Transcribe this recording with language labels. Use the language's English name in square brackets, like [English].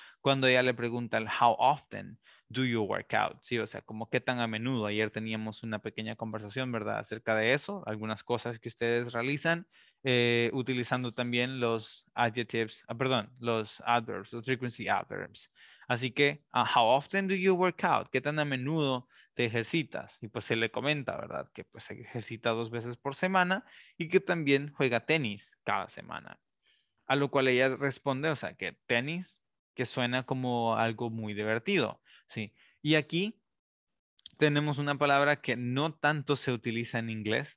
[Spanish] Cuando ella le pregunta el [English] how often do you work out, [Spanish] ¿sí? O sea, como qué tan a menudo. Ayer teníamos una pequeña conversación, ¿verdad? Acerca de eso, algunas cosas que ustedes realizan, utilizando también los adjectives, los adverbs, los frequency adverbs. [English] Así que, how often do you work out? [Spanish] ¿Qué tan a menudo te ejercitas? Y pues él le comenta, ¿verdad? Que pues se ejercita 2 veces por semana y que también juega tenis cada semana. A lo cual ella responde, o sea, que tenis, que suena como algo muy divertido, ¿sí? Y aquí tenemos una palabra que no tanto se utiliza en inglés.